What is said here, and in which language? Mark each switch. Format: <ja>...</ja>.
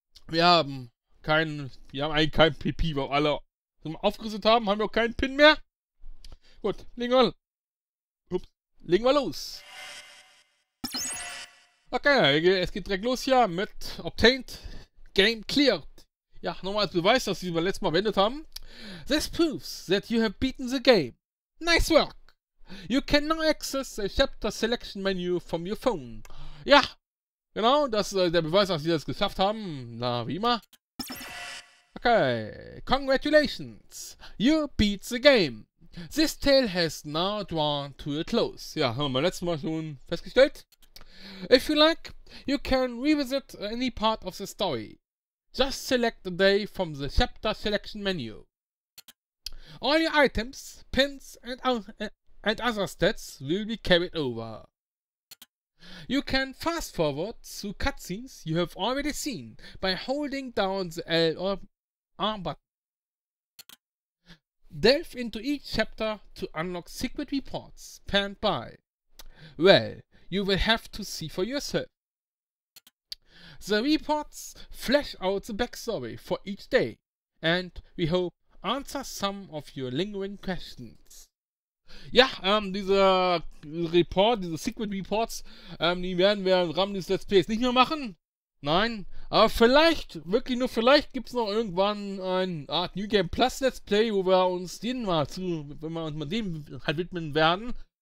<de>Wir haben eigentlich kein PP, weil wir alle aufgerüstet haben. Haben wir auch keinen Pin mehr. Gut, legen wir los. Okay, es geht direkt los hier mit Obtained.</de> <en>Game cleared.</en> <de>Ja, nochmal als Beweis, dass sie beim letzten Mal beendet haben.</de> <en>This proves that you have beaten the game. Nice work. You can now access the chapter selection menu from your phone.</en> <de>Ja, genau, das ist der Beweis, dass sie das geschafft haben. Na, wie immer.</de> <en>Okay, congratulations. You beat the game. This tale has now drawn to a close.</en> <de>Ja, haben wir beim letzten Mal schon festgestellt.</de> <en>If you like, you can revisit any part of the story. Just select a day from the chapter selection menu. All your items, pins, and other stats will be carried over. You can fast forward to cutscenes you have already seen by holding down the L or R button. Delve into each chapter to unlock secret reports penned by. Well, you will have to see for yourself. The reports flesh out the backstory for each day and we hope answer some of your lingering questions.</en> <de>Ja, diese Secret Reports, die werden wir im Rahmen des Let's Plays nicht mehr machen. Nein, aber vielleicht, wirklich nur vielleicht, gibt es noch irgendwann eine Art New Game Plus Let's Play, wo wir uns den mal zu, wenn wir uns mal dem halt widmen werden.</de>